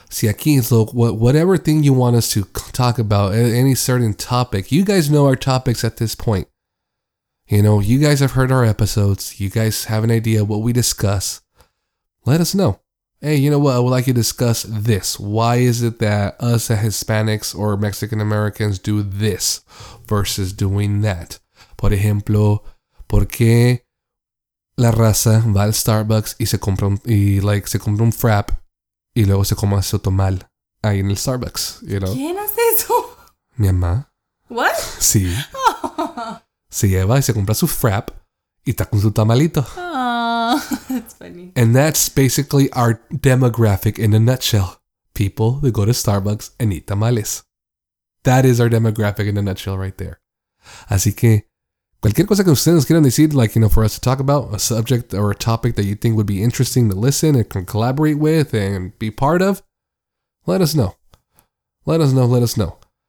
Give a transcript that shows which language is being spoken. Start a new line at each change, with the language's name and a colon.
English: See,
Spanish: aquí es lo,
English: whatever thing you want us to talk about, any certain topic, you guys know our topics at this point. You know, you guys have heard our episodes. You guys have an idea what we discuss. Let us know. Hey, you know what? I would like you to discuss this. Why is it that us Hispanics or Mexican Americans do this versus doing that?
Spanish: Por ejemplo, ¿por qué la raza va al Starbucks y se compra un, y like, se compra un frap y luego se come su tamal ahí en el Starbucks?
English: You know?
Spanish: ¿Quién hace eso? Mi mamá.
English: ¿What?
Spanish: Sí. Oh. Se lleva y se compra su frap y está con su tamalito.
English: Oh, that's funny. And that's basically our demographic in a nutshell. People that go to Starbucks and eat tamales. That is our demographic in a nutshell right there.
Spanish: Así que, cualquier cosa que ustedes quieran decir,
English: like, you know, for us to talk about, a subject or a topic that you think would be interesting to listen and can collaborate with and be part of, let us know. Let us know, let us know.